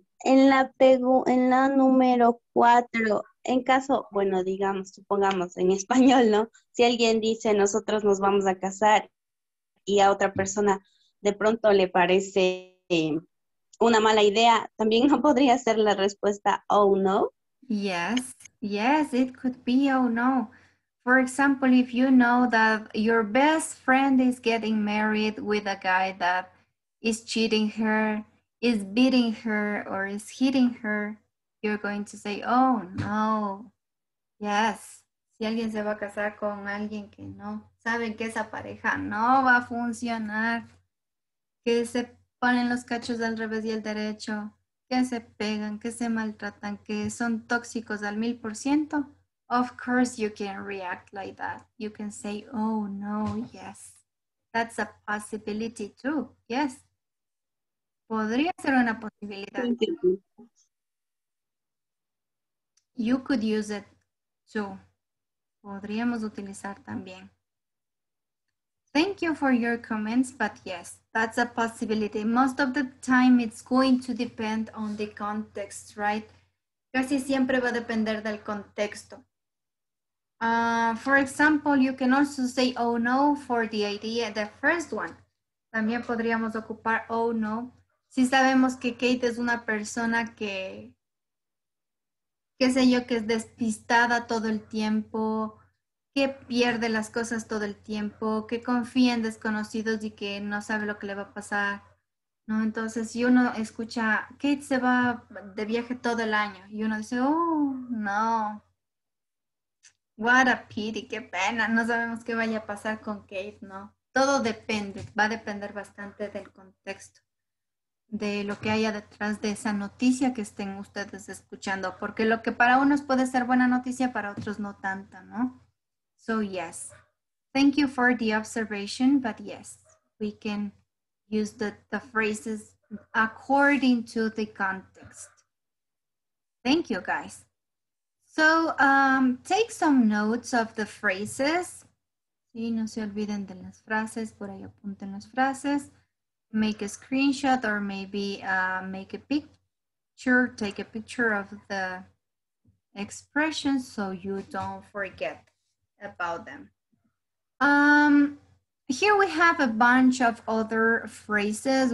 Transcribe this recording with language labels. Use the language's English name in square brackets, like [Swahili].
[Spanish] En la número cuatro, en caso, bueno, digamos, supongamos en español, ¿no? Si alguien dice nosotros nos vamos a casar y a otra persona de pronto le parece una mala idea, ¿también no podría ser la respuesta [English] oh no? Yes, it could be oh no. For example, if you know that your best friend is getting married with a guy that is cheating her, is beating her, or is hitting her, you're going to say, oh, no. Yes. [Spanish] Si alguien se va a casar con alguien que no, saben que esa pareja no va a funcionar, que se ponen los cachos al revés y al derecho, que se pegan, que se maltratan, que son tóxicos al 1000%. [English] Of course you can react like that. You can say, oh no, yes. That's a possibility too, yes. [Spanish] Podría ser una posibilidad. [English] You could use it too. [Spanish] Podríamos utilizar también. [English] Thank you for your comments, but yes, that's a possibility. Most of the time it's going to depend on the context, right? [Spanish] Casi siempre va a depender del contexto. [English] For example, you can also say, oh no, for the idea, the first one. [Spanish] También podríamos ocupar, [English] oh no, [Spanish] si sabemos que Kate es una persona que, qué sé yo, que es despistada todo el tiempo, que pierde las cosas todo el tiempo, que confía en desconocidos y que no sabe lo que le va a pasar, ¿no? Entonces, si uno escucha, Kate se va de viaje todo el año, y uno dice, [English] oh no. What a pity, [Spanish] qué pena. No sabemos qué vaya a pasar con Kate, ¿no? Todo depende, va a depender bastante del contexto, de lo que haya detrás de esa noticia que estén ustedes escuchando, porque lo que para unos puede ser buena noticia, para otros no tanta, ¿no? [English] So, yes. Thank you for the observation, but yes, we can use the phrases according to the context. Thank you, guys. So, take some notes of the phrases. [Spanish] Sí, no se olviden de las frases, por ahí apunten las frases. [English] Make a screenshot or maybe make a picture, take a picture of the expressions so you don't forget about them. Here we have a bunch of other phrases.